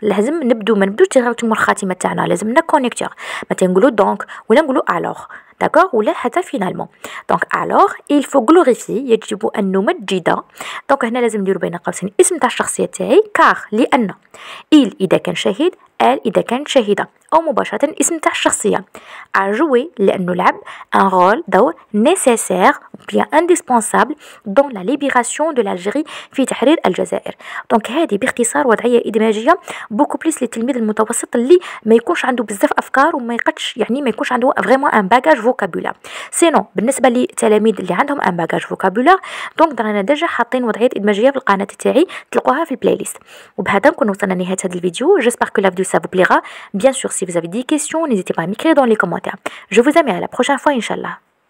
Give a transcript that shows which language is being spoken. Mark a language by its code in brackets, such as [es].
[ar] لازم نبدو ما نبدوش تغيرتم الخاتمه تاعنا، لازم لنا كونيكتور، مثلا نقولوا دونك ولا نقولوا الوغ داكوغ ولا حتى فينالمون. [fr] دونك الوغ إل فو غلوريفي، [ar] يجب أن نمجد. دونك هنا لازم نديرو بين قوسين اسم تاع الشخصية تاعي، كاغ لأن إل إذا كان شهيد، إل إذا كانت شهيدة، أو مباشرة الاسم تاع الشخصية. [fr] A jouer [ar] لأنه لعب [fr] un rôle دور nécessaire ou bien indispensable dans la libération de l'Algérie [ar] في تحرير الجزائر. دونك هذه باختصار وضعية إدماجية [fr] beaucoup plus [ar] للتلميذ المتوسط اللي ما يكونش عنده بزاف أفكار وما يقدش يعني ما يكونش عنده [fr] vraiment un bagage vocabulaire. [ar] Sinon بالنسبة للتلاميذ اللي عندهم [fr] un bagage vocabulaire [ar] دونك درنا ديجا حاطين وضعية إدماجية في القناة تاعي تلقوها في البلاي ليست. وبهذا نكون وصلنا لنهاية هذا الفيديو. [fr] J'espère que la vidéo ça vous plaira. Bien sûr, si vous avez des questions, n'hésitez pas à m'écrire dans les commentaires. Je vous aime et à la prochaine fois, Inch'Allah.